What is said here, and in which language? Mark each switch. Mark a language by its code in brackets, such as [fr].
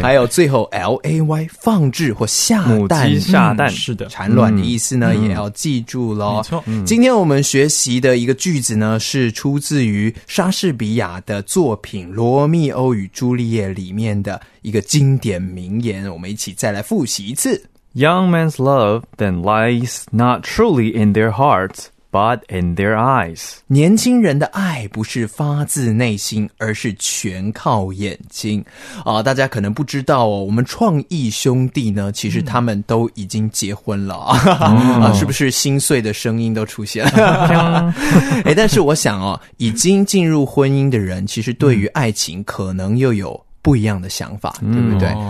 [zh] 还有最后 LAY 放置或下蛋，母鸡下蛋、嗯、是的，产卵的意思呢、嗯、也要记住咯，没错、嗯、今天我们学习的一个句子呢是出自于莎士比亚的作品罗密欧与朱丽叶里面的一个经典名言，我们一起再来复习一次。 [en] Young man's love then lies not truly in their hearts,But in their eyes. [zh] 年轻人的爱不是发自内心，而是全靠眼睛。大家可能不知道哦，我们创意兄弟呢，其实他们都已经结婚了、嗯、啊，是不是心碎的声音都出现了？但是我想哦，已经进入婚姻的人，其实对于爱情可能又有不一样的想法，嗯、对不对？